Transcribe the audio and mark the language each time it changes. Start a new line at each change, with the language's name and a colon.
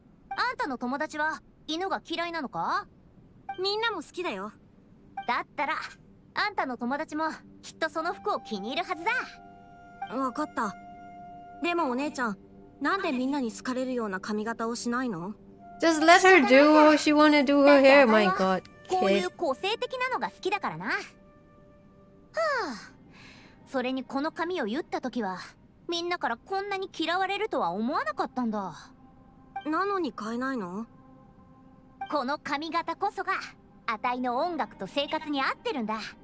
Japanese: あんたの友達は犬が嫌いなのか？みんなも好きだよ。だったらあんたの友達もきっとその服を気に入るはずだ。わかった。でもお姉ちゃん、なんでみんなに好かれるような髪型をしないの？
English: Just let her do what she wanna do her hair. My god.
Japanese: こういう個性的なのが好きだからな。はあ、それにこの髪を結った時はみんなからこんなに嫌われるとは思わなかったんだ。なのに変えないの？この髪型こそがあたいの音楽と生活に合ってるんだ。